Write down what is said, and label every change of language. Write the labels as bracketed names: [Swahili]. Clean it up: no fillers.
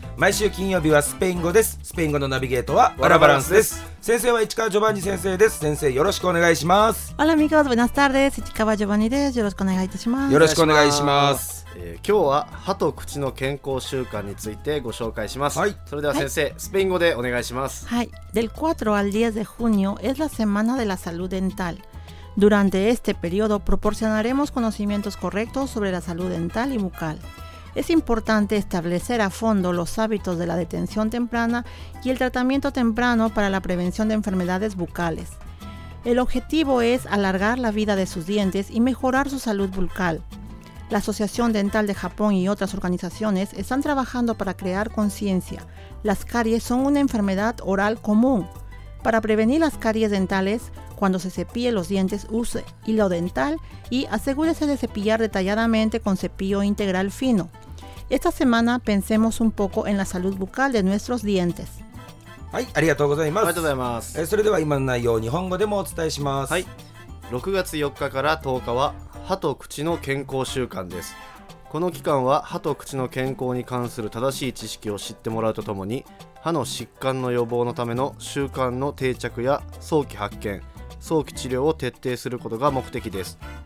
[Japanese] 毎週金曜日はスペイン語です。スペイン語のナビゲートはワラバランスです。先生は市川ジョバンニ先生です。先生よろしくお願いします。アラミカーズブナスターです。市川ジョバンニです。よろしくお願いいたします。よろしくお願いします。今日は歯と口の健康習慣についてご紹介します。はい、それでは先生、はい、スペイン語でお願いします。はい。 [Spanish] Del 4 al 10 de junio es la semana de la salud dental. Durante este periodo proporcionaremos conocimientos correctos sobre la salud dental y bucal. Es importante establecer a fondo los hábitos de la detención temprana y el tratamiento temprano para la prevención de enfermedades bucales. El objetivo es alargar la vida de sus dientes y mejorar su salud bucal. La Asociación Dental de Japón y otras organizaciones están trabajando para crear conciencia. Las caries son una enfermedad oral común. Para prevenir las caries dentales, cuando se cepille los dientes, use hilo dental y asegúrese de cepillar detalladamente con cepillo integral fino. Esta semana pensemos un poco en la salud bucal de nuestros dientes. [Japanese] はい、ありがとうございます。ありがとうございます。それでは今の内容を日本語でもお伝えします。はい。 6月4日から10日は歯と口の健康週間です。この期間は歯と口の健康に関する正しい知識を知ってもらうとともに、歯の疾患の予防のための習慣の定着や早期発見、早期治療を徹底することが目的です。